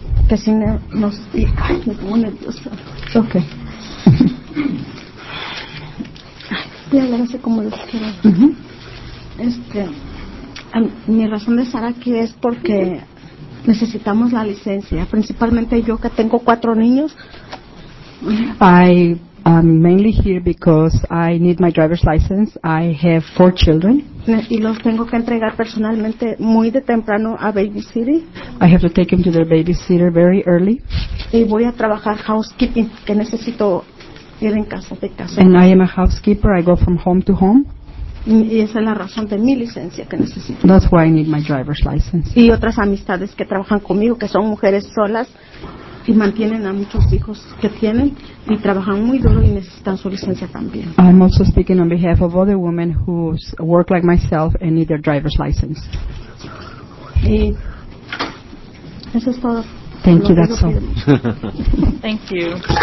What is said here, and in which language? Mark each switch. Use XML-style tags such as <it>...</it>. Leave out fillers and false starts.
<es>Ay, me pongo nerviosa.</es> <en>Okay.</en> <es>Mi razón de estar aquí es porque necesitamos la licencia, principalmente yo que tengo 4 niños.</es> <en>I'm mainly here because I need my driver's license. I have 4 children.</en> <es>Y los tengo que entregar personalmente muy de temprano a babysitter.</es> <en>I have to take them to their babysitter very early.</en> <es>Y voy a trabajar housekeeping, que necesito ir en casa de casa.</es> <en>And I am a housekeeper. I go from home to home.</en> <es>Y esa es la razón de mi licencia que necesito.</es> <en>That's why I need my driver's license.</en> <es>Y otras amistades que trabajan conmigo, que son mujeres solas. Y mantienen a muchos hijos que tienen y trabajan muy duro y necesitan su licencia también.</es> <en>I'm also speaking on behalf of other women who work like myself and need their driver's license.</en> <es>Y eso es todo.</es> <en>Thank you, that's all. Thank you.</en>